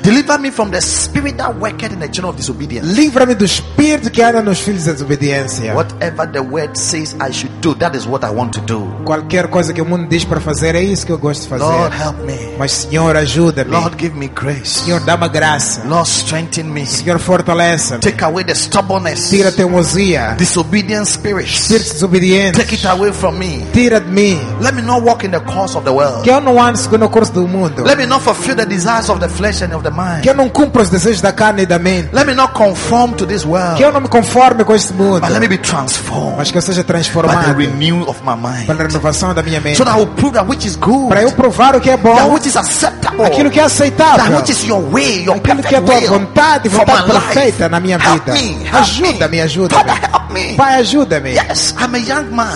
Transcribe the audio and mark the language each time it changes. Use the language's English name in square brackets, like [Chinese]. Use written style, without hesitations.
[English] Deliver me from the spirit that worketh in the children of disobedience. [Portuguese] Livra-me do espírito que anda nos filhos da desobediência. [English] Whatever the word says I should do, that is what I want to do. [Portuguese] Qualquer coisa que o mundo diz para fazer é isso que eu gosto de fazer. [English] Lord, help me. [Portuguese] Mas Senhor, ajuda-me. [English] Lord, give me grace. [Portuguese] Senhor, dá-me graça. [English] Lord, strengthen me. [Portuguese] Senhor, fortalece-me. [English] Take away the stubbornness. [Portuguese] Tira a teimosia. [English] Disobedient spirits. [Portuguese] Espíritos desobedientes. [English] Take it away from me. [Portuguese] Tira de mim. [English] Let me not walk in the course of the world. [Portuguese] Que eu não ande segundo o do mundo. [English] Let me not fulfill the desires of the flesh and of the mind. [Portuguese] Que eu não cumpra os desejos da carne e da mente. [English] Let me not conform to this world. [Portuguese] Que eu não me conforme com este mundo. [English] But let me be transformed. [Portuguese] Mas que eu seja transformado. [English] By the renewal of my mind. [Portuguese] Pela renovação da minha mente. [English] So that I will prove that which is good. [Portuguese] Para eu provar o que é bom. [English] That which is acceptable. [Portuguese] Aquilo que é aceitável. [English] That which is your way, your [Portuguese] aquilo [English] perfect [Portuguese] que é a tua [English] will [Portuguese] vontade, vontade perfeita [English] life [Portuguese] na minha vida. [English] Help me, help [Portuguese] ajuda-me, [English] me. [Portuguese] Ajuda-me. [English] Father, help me. [Portuguese] Pai, ajuda-me. [English] Yes, I'm a young man.